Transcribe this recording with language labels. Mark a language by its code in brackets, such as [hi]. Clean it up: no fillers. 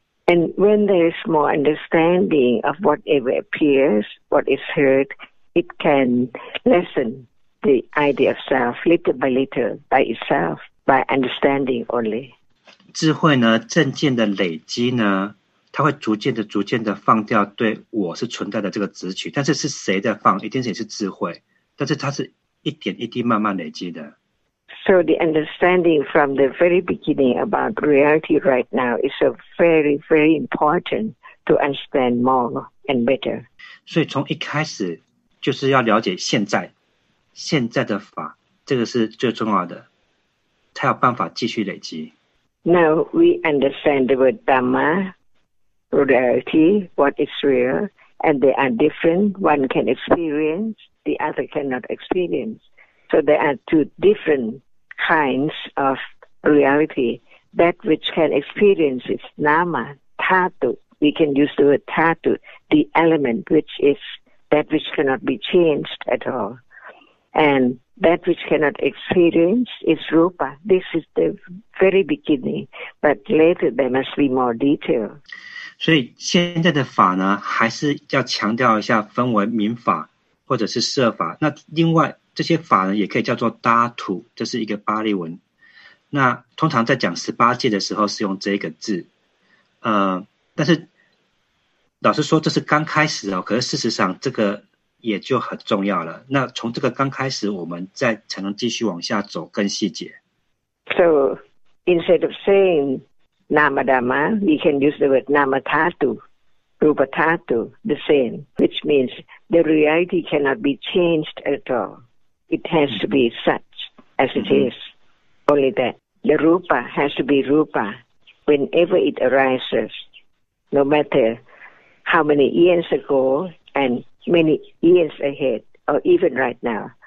[en] And when there is more understanding of whatever appears, what is heard, it can lessen. The idea of self, little by little, by itself, by understanding only. [zh] 智慧呢，正见的累积呢，它会逐渐的、逐渐的放掉对我是存在的这个执取。但是是谁在放？一定也是智慧。但是它是一点一滴慢慢累积的。 [en] So the understanding from the very beginning about reality right now is a very, very important to understand more and better. [zh] 所以从一开始就是要了解现在。现在的法，这个是最重要的，才有办法继续累积。 [en] Now we understand the word Dhamma, reality, what is real, and they are different. One can experience, the other cannot experience. So there are two different kinds of reality. that which can experience is nama, tatu. We can use the word tatu, the element which is that which cannot be changed at all. And that which cannot experience is rupa. This is the very beginning, but later there must be more detail. [zh] 所以现在的法呢，还是要强调一下，分为明法或者是色法。那另外这些法呢，也可以叫做达土，这是一个巴利文。那通常在讲十八戒的时候是用这个字，但是老实说这是刚开始哦。可是事实上这个也就很重要了。那从这个刚开始，我们再才能继续往下走更细节。 [en] So instead of saying nama dhamma, we can use the word nama tatu, rupa tatu, the same, which means the reality cannot be changed at all. It has to be such as it is. Only that the rupa has to be rupa whenever it arises, no matter how many years ago and many years ahead, or even right now.